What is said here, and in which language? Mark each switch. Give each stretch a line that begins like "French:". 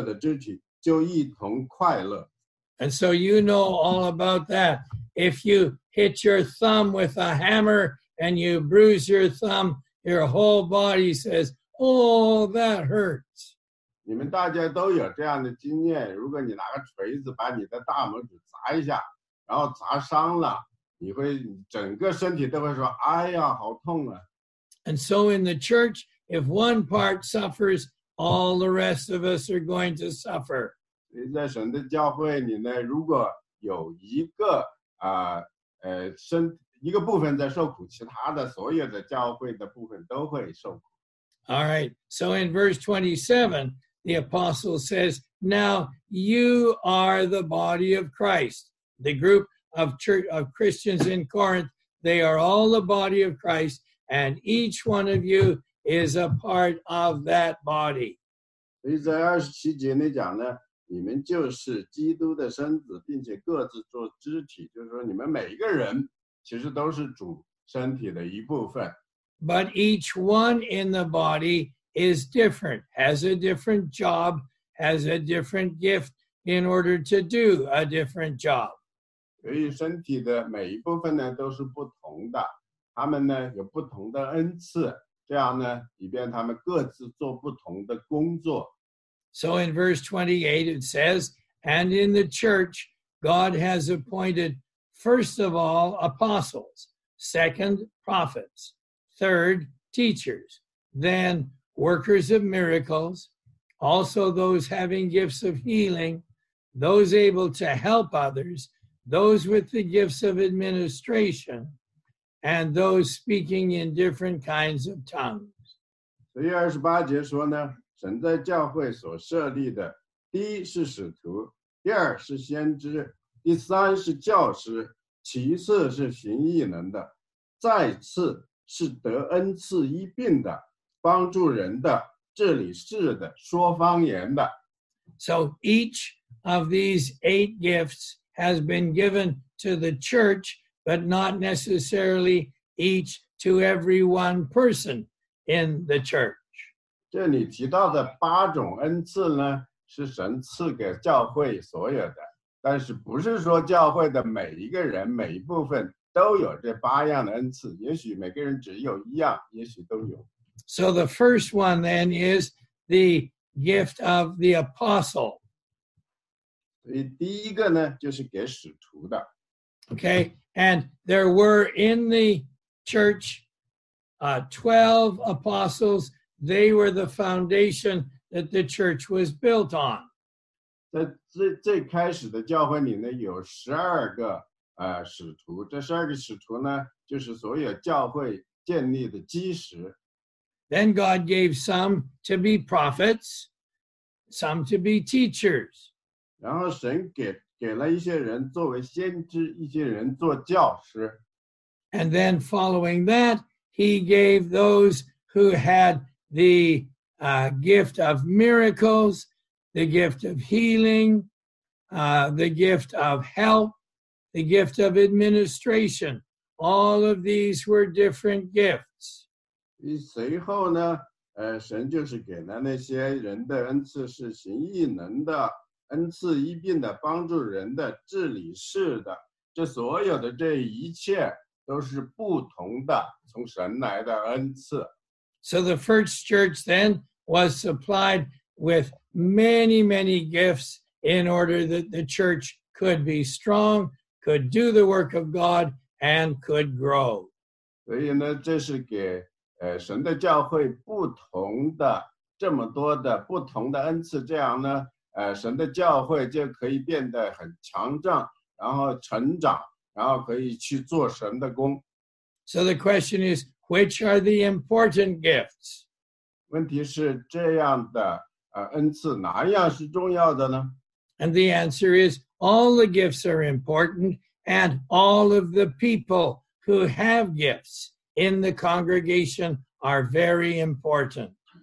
Chinese: 所以第26节讲呢，若一个肢体受苦，所有的肢体就一同受苦；若一个肢体得荣耀，所有的肢体就一同快乐。
English: And so you know all about that. If you hit your thumb with a hammer and you bruise your thumb, your whole body says, "Oh, that hurts."
Chinese: 你们大家都有这样的经验，如果你拿个锤子把你的大拇指砸一下，然后砸伤了，你会整个身体都会说：“哎呀，好痛啊！”
English: And so in the church, if one part suffers, all the rest of us are going to suffer.
Chinese: 在神的教会里呢，如果有一个身一个部分在受苦，其他的所有的教会的部分都会受苦。
English: All right. So in verse 27, the apostle says, "Now you are the body of Christ." The group of church of Christians in Corinth, they are all the body of Christ, and each one of you is a part of that body.
Chinese: 在27节里讲呢，你们就是基督的身子，并且各自做肢体，就是说你们每个人其实都是主身体的一部分。
English: But each one in the body is different, has a different job, has a different gift in order to do a different job.
Chinese: 所以身体的每一部分呢都是不同的，他们呢有不同的恩赐，这样呢以便他们各自做不同的工作。
English: So in verse 28 it says, and in the church, God has appointed first of all apostles, second prophets, third teachers, then workers of miracles, also those having gifts of healing, those able to help others, those with the gifts of administration, and those speaking in different kinds of tongues.
Chinese: 28节说呢，神在教会所设立的，第一是使徒，第二是先知，第三是教师，其次是行异能的，再次是得恩赐医病的，帮助人的，治理事的，说方言的。
English: So each of these eight gifts has been given to the church, but not necessarily each to every one person in the church.
Chinese: 这里提到的八种恩赐呢，是神赐给教会所有的，但是不是说教会的每一个人每一部分都有这八样的恩赐，也许每个人只有一样，也许都有。
English: So the first one then is the gift of the apostle.
Chinese: 所以第一个呢，就是给使徒的。
English: Okay, and there were in the church 12 apostles. They were the foundation that the church was built on.
Chinese: 在最开始的教会里呢，有十二个使徒。这十二个使徒呢，就是所有教会建立的基石。
English: Then God gave some to be prophets, some to be teachers.
Chinese: 然后神给了一些人作为先知，一些人做教师。
English: And then following that, He gave those who had the gift of miracles, the gift of healing, the gift of help, the gift of administration. All of these were different gifts.
Chinese: 随后呢，神就是给了那些人的恩赐是行异能的，恩赐医病的，帮助人的，治理事的。这所有的这一切都是不同的，从神来的恩赐。
English: So the first church then was supplied with many, many gifts in order that the church could be strong, could do the work of God, and could grow.
Chinese: 所以呢，这是给神的教会不同的这么多的不同的恩赐，这样呢，神的教会就可以变得很强壮，然后成长，然后可以去做神的工。
English: So the question is, which are the important gifts?
Chinese: 问题是这样的，恩赐哪样是重要的呢？
English: And the answer is all the gifts are important and all of the people who have gifts in the congregation are very important.